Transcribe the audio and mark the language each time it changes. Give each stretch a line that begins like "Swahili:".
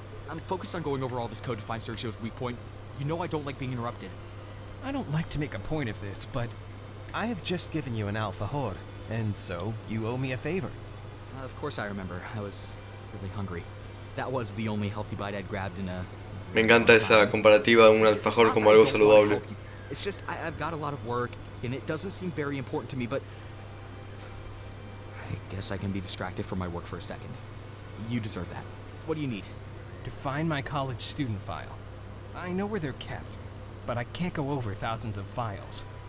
English: I'm focused on going over all this code to find Sergio's weak point. You know I don't like being interrupted. I don't like to make a point of this, but I have just given you an alfajor, and so you owe me a favor. Of course I remember. I was really hungry. That was the only healthy bite I'd grabbed in a...
Spanish: Me encanta esa comparativa de un alfajor como algo saludable.
English: It's just, I've got a lot of work, and it doesn't seem very important to me, but I guess I can be distracted from my work for a second. You deserve that. What do you need? To find my college student file. I know where they're kept, but I can't go over thousands of files.